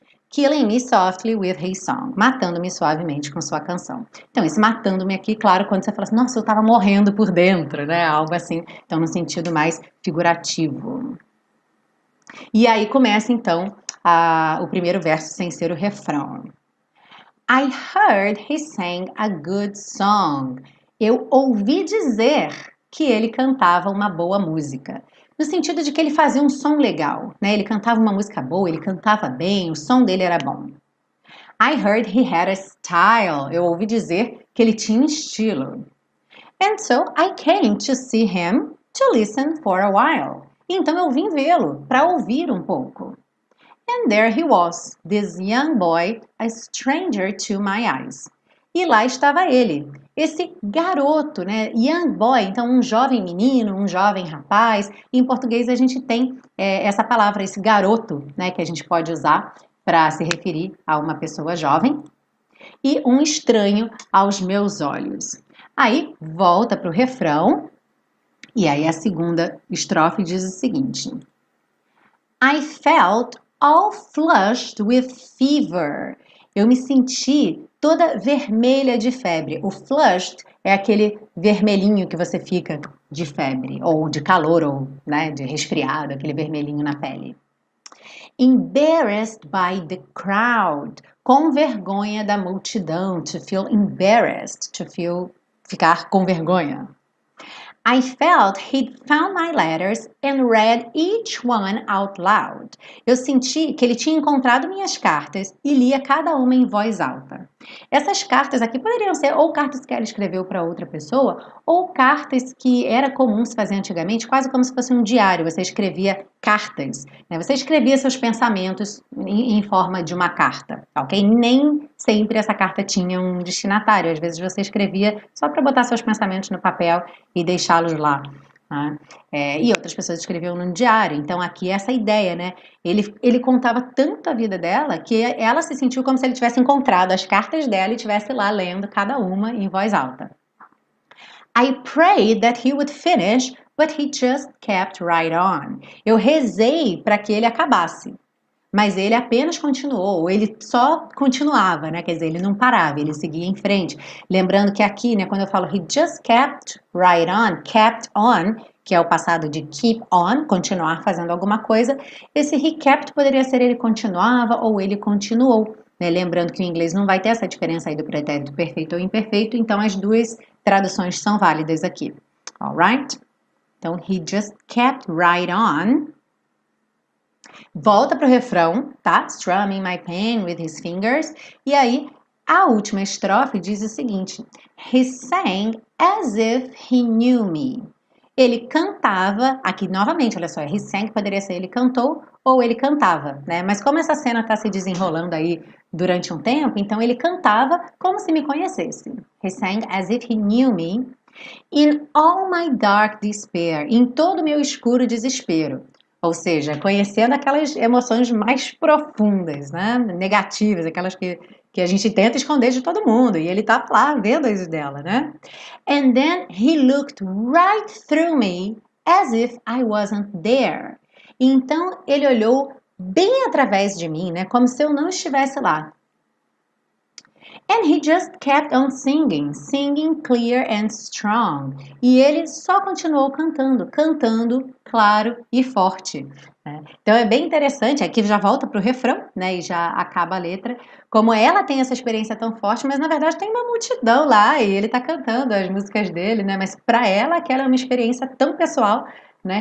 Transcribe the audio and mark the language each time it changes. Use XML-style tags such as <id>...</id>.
<en>Killing me softly with his song,</en> <pt>matando-me suavemente com sua canção. Então, esse matando-me aqui, claro, quando você fala assim, nossa, eu tava morrendo por dentro, né? Algo assim, então no sentido mais figurativo. E aí começa então o primeiro verso sem ser o refrão.</pt> <en>I heard he sang a good song.</en> <pt>Eu ouvi dizer que ele cantava uma boa música. No sentido de que ele fazia um som legal, né? Ele cantava uma música boa, ele cantava bem, o som dele era bom.</pt> <en>I heard he had a style.</en> <pt>Eu ouvi dizer que ele tinha estilo.</pt> <en>And so I came to see him to listen for a while.</en> <pt>Então eu vim vê-lo para ouvir um pouco.</pt> <en>And there he was, this young boy, a stranger to my eyes.</en> <pt>E lá estava ele, esse garoto, né?</pt> <en>Young boy,</en> <pt>então um jovem menino, um jovem rapaz. Em português a gente tem essa palavra, esse garoto, né? Que a gente pode usar para se referir a uma pessoa jovem. E um estranho aos meus olhos. Aí volta para o refrão, e aí a segunda estrofe diz o seguinte:</pt> <en>I felt all flushed with fever.</en> <pt>Eu me senti toda vermelha de febre. O flushed é aquele vermelhinho que você fica de febre, ou de calor, ou, né, de resfriado, aquele vermelhinho na pele.</pt> <en>Embarrassed by the crowd.</en> <pt>Com vergonha da multidão.</pt> <en>To feel embarrassed. To feel,</en> <pt>ficar com vergonha.</pt> <en>I felt he'd found my letters and read each one out loud.</en> <pt>Eu senti que ele tinha encontrado minhas cartas e lia cada uma em voz alta. Essas cartas aqui poderiam ser ou cartas que ela escreveu para outra pessoa ou cartas que era comum se fazer antigamente, quase como se fosse um diário. Você escrevia cartas, né? Você escrevia seus pensamentos em forma de uma carta, ok? Nem sempre essa carta tinha um destinatário. Às vezes você escrevia só para botar seus pensamentos no papel e deixá-los lá. Ah, e outras pessoas escreviam num diário. Então, aqui essa ideia, né? Ele contava tanto a vida dela que ela se sentiu como se ele tivesse encontrado as cartas dela e estivesse lá lendo cada uma em voz alta.</pt> <en>I prayed that he would finish, but he just kept right on.</en> <pt>Eu rezei para que ele acabasse, mas ele apenas continuou. Ele só continuava, né? Quer dizer, ele não parava, ele seguia em frente. Lembrando que aqui, né, quando eu falo</pt> <en>he just kept right on, kept on,</en> <pt>que é o passado de keep on, continuar fazendo alguma coisa, esse he kept poderia ser ele continuava ou ele continuou. Né? Lembrando que o inglês não vai ter essa diferença aí do pretérito perfeito ou imperfeito, então as duas traduções são válidas aqui.</pt> <en>All right?</en> <pt>Então,</pt> <en>he just kept right on.</en> <pt>Volta para o refrão, tá?</pt> <en>Strumming my pen with his fingers.</en> <pt>E aí, a última estrofe diz o seguinte.</pt> <en>He sang as if he knew me.</en> <pt>Ele cantava, aqui novamente, olha só. He sang poderia ser ele cantou ou ele cantava, né? Mas como essa cena está se desenrolando aí durante um tempo, então ele cantava como se me conhecesse.</pt> <en>He sang as if he knew me. In all my dark despair,</en> <pt>em todo meu escuro desespero, ou seja, conhecendo aquelas emoções mais profundas, né? Negativas, aquelas que a gente tenta esconder de todo mundo, e ele tá lá vendo isso dela, né?</pt> <en>And then he looked right through me as if I wasn't there.</en> <pt>Então ele olhou bem através de mim, né? Como se eu não estivesse lá.</pt> <en>And he just kept on singing, singing clear and strong.</en> <pt>E ele só continuou cantando, cantando claro e forte. Né? Então é bem interessante, aqui já volta para o refrão, né? E já acaba a letra. Como ela tem essa experiência tão forte, mas na verdade tem uma multidão lá e ele está cantando as músicas dele, né? Mas para ela, aquela é uma experiência tão pessoal, né?</pt>